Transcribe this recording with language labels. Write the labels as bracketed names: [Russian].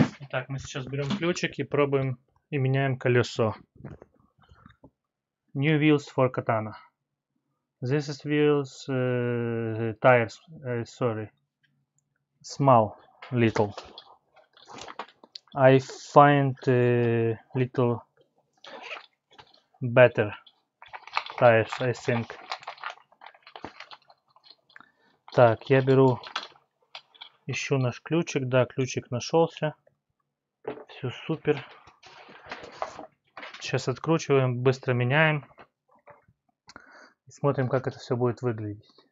[Russian] Так, мы сейчас берем ключик и пробуем и меняем колесо. [English] New wheels for katana. This is wheels, tires, sorry. Small, little. I find little better tires, I think. [Russian] Так, я беру, ищу наш ключик. Да, ключик нашелся. Все супер. Сейчас откручиваем, быстро меняем. Смотрим, как это все будет выглядеть.